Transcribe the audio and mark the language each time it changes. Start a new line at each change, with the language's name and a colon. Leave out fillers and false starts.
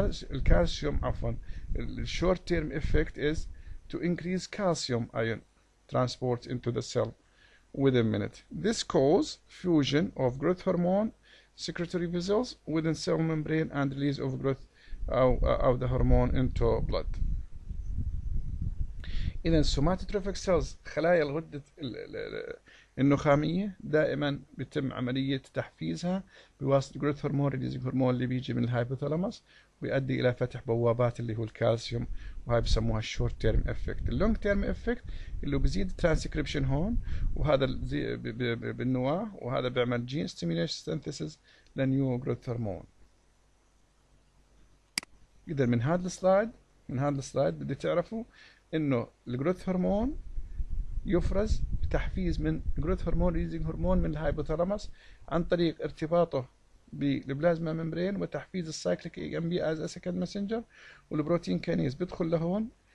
English: الكالسيوم الشورت term effect is to increase calcium ion transport into the cell within a minute. This causes fusion of growth hormone secretory vessels within cell membrane and release of growth of the hormone into blood.
Arabic: إذا somatotrophic cells خلايا الغدة النخامية دائما بتم عملية تحفيزها بواسطة growth hormone releasing hormone اللي بيجي من الهايبوثالاموس ويؤدي إلى فتح بوابات اللي هو الكالسيوم، وهي بسموها short term effect. long term effect اللي بزيد transcription هون وهذا بالنواة وهذا بيعمل gene stimulation synthesis لنيو growth hormone. إذا من هذا السلايد بدي تعرفوا إنه الجروث هرمون يفرز بتحفيز من الجروث هرمون ريليزنج هرمون من الهايبوثالاموس عن طريق ارتباطه بالبلازما ممبرين وتحفيز السايكليك اي ام بي از سكند مسنجر، والبروتين كينيز بيدخل لهون